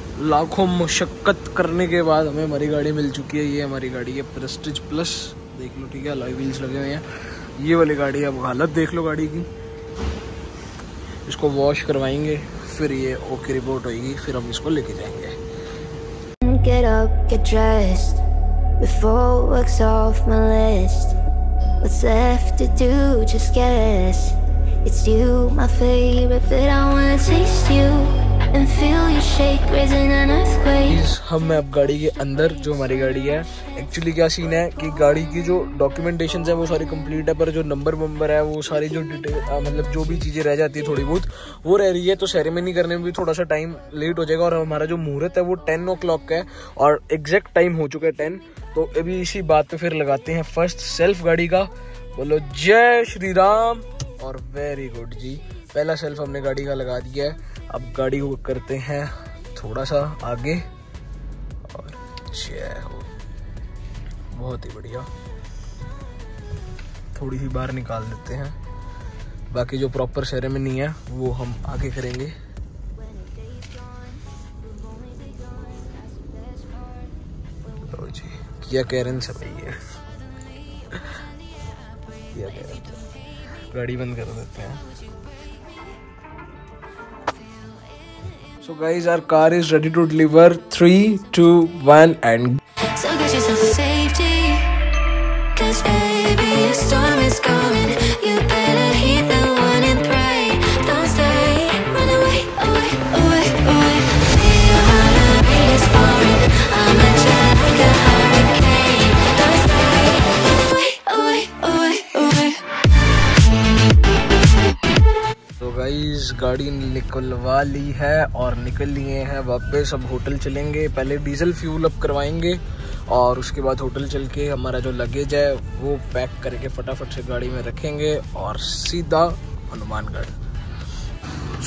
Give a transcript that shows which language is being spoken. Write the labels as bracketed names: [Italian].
[Hindi] लाखों मशक्कत करने के बाद हमें हमारी गाड़ी मिल चुकी है। ये हमारी गाड़ी है प्रेस्टीज प्लस, देख लो ठीक है, अलॉय व्हील्स लगे हुए हैं, ये वाली गाड़ी है। अब हालत देख लो गाड़ी की, इसको वॉश करवाएंगे फिर ये ओके रिपोर्ट होगी, फिर हम इसको लेके जाएंगे। [English] Get up, get dressed before work's off my list. What's left to do, just guess. It's you, my favorite, but I wanna taste you and feel you shake, raising an earthquake. [Hindi] हम हैं अब गाड़ी के अंदर, जो हमारी गाड़ी है। एक्चुअली क्या सीन है कि गाड़ी की जो डॉक्यूमेंटेशन है वो सारी कंप्लीट है पर जो नंबर वंबर है वो सारी जो डिटेल मतलब जो भी चीज़ें रह जाती है थोड़ी बहुत वो रह रही है, तो सेरेमनी करने में भी थोड़ा सा टाइम लेट हो जाएगा। और हमारा जो मुहूर्त है वो 10:00 का है और एग्जैक्ट टाइम हो चुका है 10, तो अभी इसी बात पे फिर लगाते हैं फर्स्ट सेल्फ गाड़ी का। बोलो जय श्री राम और वेरी गुड जी, पहला सेल्फ हमने गाड़ी का लगा दिया है। अब गाड़ी करते हैं थोड़ा सा आगे और जय हो, बहुत ही बढ़िया, थोड़ी सी बाहर निकाल देते हैं, बाकी जो प्रॉपर सेरेमनी है वो हम आगे करेंगे। तो जी किया कैरेंस है भाई, ये किया कैरेंस, गाड़ी बंद कर देते हैं। [English] So guys, our car is ready to deliver. 3, 2, 1, and. So get yourself a safety, 'cause baby, a storm is coming. You better heed the warning, pray. Don't stay, run away, away, away, away. Feel your heart, a beat is pouring. I'm a jet like a hurricane. Don't stay, run away, away, away, away. So guys, [Hindi] गाड़ी निकलवा ली है और निकल लिए हैं वापस। अब hotel चलेंगे, पहले डीजल फ्यूल अप करवाएंगे और उसके बाद होटल चल के हमारा जो लगेज है वो पैक करके फटाफट से गाड़ी में रखेंगे और सीधा हनुमानगढ़।